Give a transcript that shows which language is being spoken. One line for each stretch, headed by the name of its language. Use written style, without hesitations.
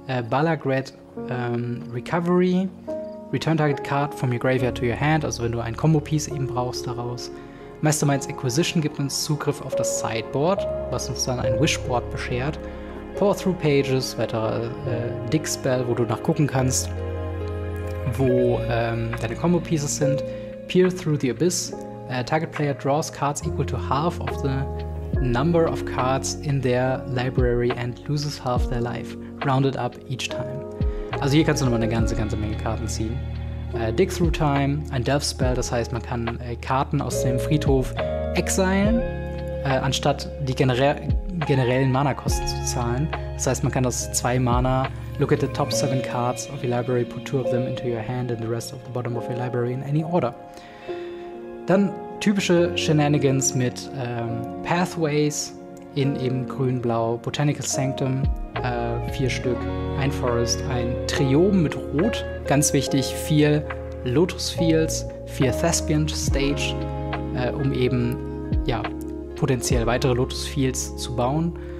German: Balagred Recovery.
English: Return Target Card from your graveyard to your hand,
German: also wenn du ein Combo-Piece eben brauchst daraus. Masterminds Acquisition gibt uns Zugriff auf das Sideboard, was uns dann ein Wishboard beschert. Pour Through Pages, weiterer Dig Spell, wo du nachgucken kannst, wo deine Combo-Pieces sind.
English: Peer Through the Abyss, Target Player draws cards equal to half of the number of cards in their library and loses half their life, rounded up each time.
German: Also hier kannst du nochmal eine ganze Menge Karten ziehen. Dig Through Time, ein Death Spell, das heißt, man kann Karten aus dem Friedhof exilen, anstatt die generellen Mana-Kosten zu zahlen. Das heißt, man kann aus 2 Mana,
English: look at the top 7 cards of your library, put 2 of them into your hand and the rest of the bottom of your library in any order.
German: Dann typische Shenanigans mit Pathways in eben grün-blau, Botanical Sanctum, 4 Stück, ein Forest, ein Triom mit Rot, ganz wichtig, 4 Lotus Fields, 4 Thespian Stage, um eben ja, potenziell weitere Lotus Fields zu bauen.